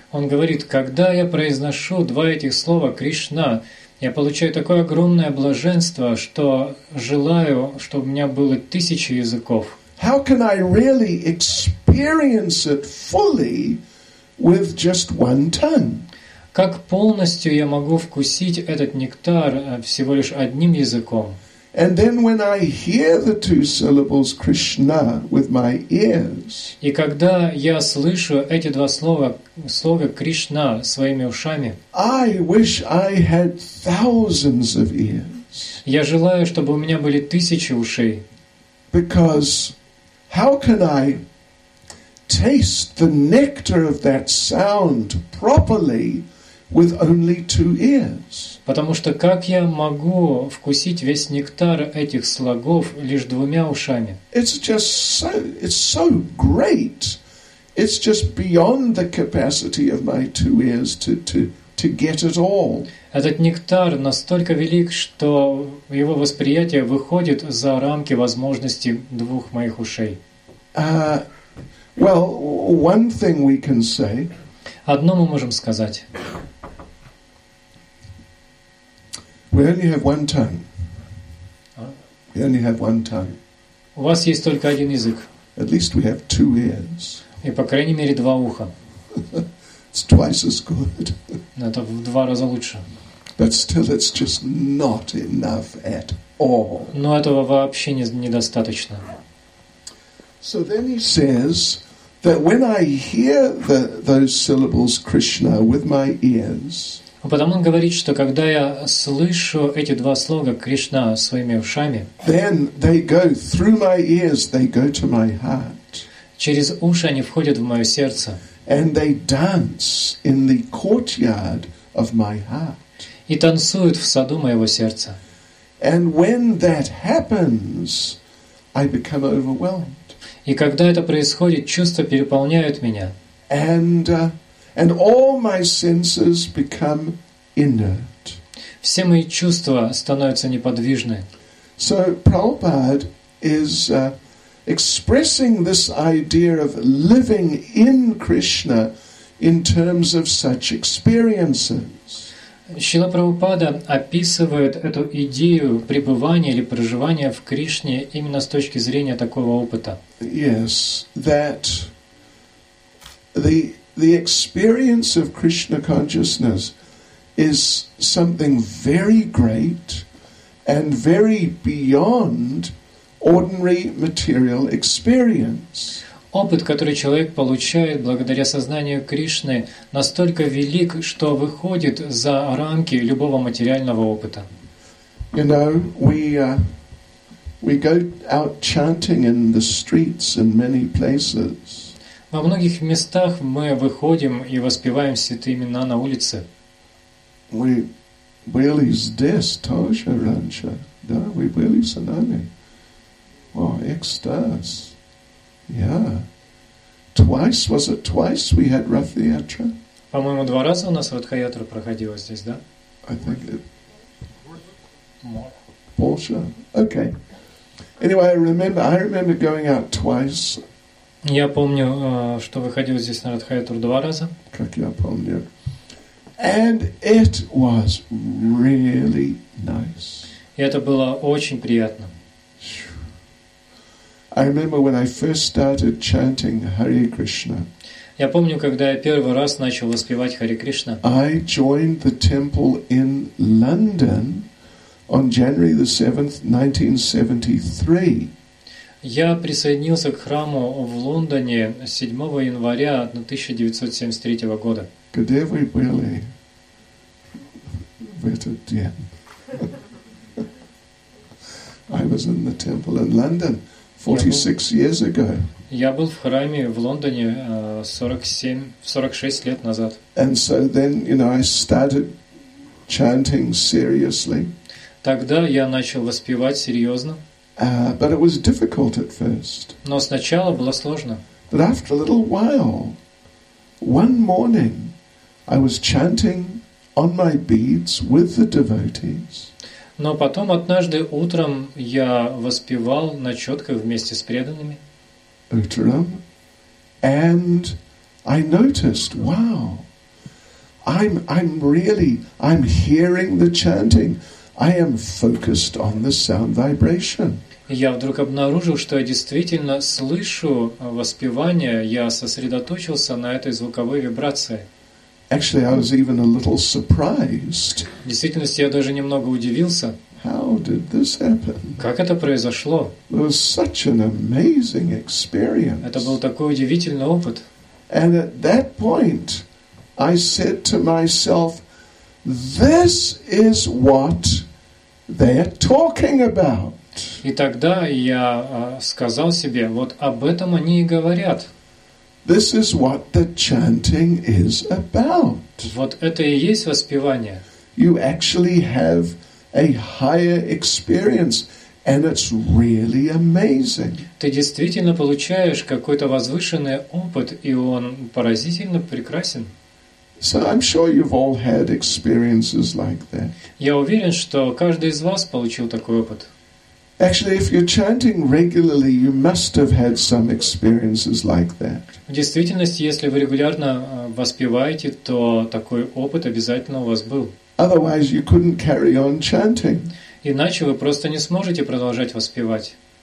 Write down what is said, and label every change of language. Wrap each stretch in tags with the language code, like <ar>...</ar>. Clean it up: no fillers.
<ru>Он говорит, когда я произношу два этих слова Кришна, я получаю такое огромное блаженство, что желаю, чтобы у меня было 1000 языков.</ru> <en>How can I really experience it fully with just 1 ton?</en> <ru>Как полностью я могу вкусить этот нектар всего лишь одним языком?</ru> <en>And then when I hear the two syllables Krishna with my ears.</en> <ru>И когда я слышу эти два слова, слово Кришна своими ушами.</ru> <en>I wish I had thousands of ears.</en> <ru>Я желаю, чтобы у меня были 1000 ушей.</ru> <en>Because how can I taste the nectar of that sound properly with only 2 ears?</en> <ru>Потому что как я могу вкусить весь нектар этих слогов лишь 2 ушами?</ru> <en>It's so great. It's just beyond the capacity of my 2 ears to get it all.</en> <ru>Этот нектар настолько велик, что его восприятие выходит за рамки возможностей 2 моих ушей.</ru> <en>Well, one thing we can say.</en> <ru>Одно мы можем сказать.</ru> <en>We only have 1 tongue. We only have 1 tongue.</en> <ru>У вас есть только один язык.</ru> <en>At least we have 2 ears.</en> <ru>И по крайней мере 2 уха.</ru> <en>It's twice as good.</en> <ru>Это в 2 раза лучше.</ru> <en>But still, it's just not enough at all.</en> <ru>Но этого вообще недостаточно.</ru> <en>So then he says that when I hear those syllables Krishna with my ears.</en> <ru>Потому он говорит, что когда я слышу эти 2 слога Кришна своими ушами,</ru> <en>then they go through my ears, they go to my heart.</en> <ru>Через уши они входят в мое сердце.</ru> <en>And they dance in the courtyard of my heart.</en> <ru>И танцуют в саду моего сердца.</ru> <en>And when that happens, I become overwhelmed.</en> <ru>И когда это происходит, чувства переполняют меня.</ru> <en>And all my senses become inert.</en> <ru>Все мои чувства становятся неподвижны.</ru> <en>So Prabhupada is expressing this idea of living in Krishna in terms of such experiences.</en> <ru>Шрила Прабхупада описывает эту идею пребывания или проживания в Кришне именно с точки зрения такого опыта.</ru> <en>Yes, that the experience of Krishna consciousness is something very great and very beyond ordinary material experience.</en> <ru>Опыт, который человек получает благодаря сознанию Кришны, настолько велик, что выходит за рамки любого материального опыта.</ru> <en>You know, we go out chanting in the streets in many places.</en> <ru>Во многих местах мы выходим и воспеваем святые имена на улице.</ru> <en>We</en> <ru>были здесь тоже раньше, да?</ru> <en>We</en> <ru>были с нами. О, экстаз.</ru> <en>Yeah. Twice, was it twice we had Ратха-ятру?</en> <ru>По-моему, 2 раза у нас Ратха-ятру проходило здесь, да?</ru> <en>I think it...</en> <ru>Больше?</ru> <en>Okay. Anyway, I remember going out twice.</en> <ru>Я помню, что выходил здесь на Ратха-ятру 2 раза. Как я помню.</ru> <en>And it was really nice.</en> <ru>И это было очень приятно.</ru> <en>I remember when I first started chanting Hare Krishna.</en> <ru>Я помню, когда я первый раз начал воспевать Харе Кришна.</ru> <en>I joined the temple in London on January the 7th, 1973.</en> <ru>Я присоединился к храму в Лондоне 7 января 1973 года. Где вы были в этот день?</ru> <en>was in the temple in London 46 years ago.</en> <ru>Я был в храме в Лондоне 46 лет назад.</ru> <en>And so then, you know, I started chanting seriously.</en> <ru>Тогда я начал воспевать серьезно.</ru> <en>But it was difficult at first.</en> <ru>Но сначала было сложно.</ru> <en>But after a little while, one morning, I was chanting on my beads with the devotees.</en> <ru>Но потом однажды утром я воспевал на четках вместе с преданными.</ru> <en>Utram, and I noticed, wow, I'm hearing the chanting. I am focused on the sound vibration.</en> <ru>Я вдруг обнаружил, что я действительно слышу воспевание, я сосредоточился на этой звуковой вибрации.</ru> <en>Actually, I was even a little surprised.</en> <ru>В действительности, я даже немного удивился.</ru> <en>How did this happen?</en> <ru>Как это произошло?</ru> <en>It was such an amazing experience.</en> <ru>Это был такой удивительный опыт.</ru> <en>And at that point, I said to myself, this is what they're talking about.</en> <ru>И тогда я сказал себе, вот об этом они и говорят.</ru> <en>This is what the chanting is about.</en> <ru>Вот это и есть воспевание.</ru> <en>You actually have a higher experience, and it's really amazing.</en> <ru>Ты действительно получаешь какой-то возвышенный опыт, и он поразительно прекрасен.</ru> <en>So I'm sure you've all had experiences like that.</en> <ru>Я уверен, что каждый из вас получил такой опыт.</ru> <en>Actually, if you're chanting regularly, you must have had some experiences like that.</en> <ru>В действительности, если вы регулярно воспеваете, то такой опыт обязательно у вас был.</ru> <en>Otherwise, you couldn't carry on chanting.</en> <ru>Иначе вы просто не сможете продолжать воспевать.</ru>